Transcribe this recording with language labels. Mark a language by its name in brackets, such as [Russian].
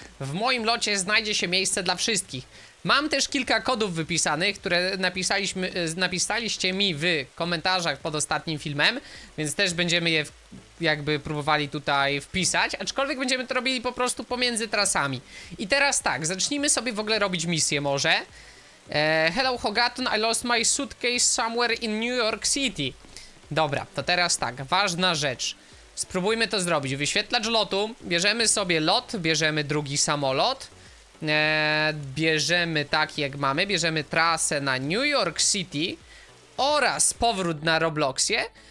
[Polish] W moim locie znajdzie się miejsce dla wszystkich. Mam też kilka kodów wypisanych, które napisaliście mi w komentarzach pod ostatnim filmem, więc też będziemy je jakby próbowali tutaj wpisać, aczkolwiek będziemy to robili po prostu pomiędzy trasami. I teraz tak, zacznijmy sobie w ogóle robić misję może. [English] Hello Hogaton, I lost my suitcase somewhere in New York City. [Polish] Dobra, to teraz tak, ważna rzecz. Spróbujmy to zrobić. Wyświetlacz lotu, bierzemy sobie lot, bierzemy drugi samolot. Bierzemy tak jak mamy, bierzemy trasę na New York City oraz powrót na Robloxie.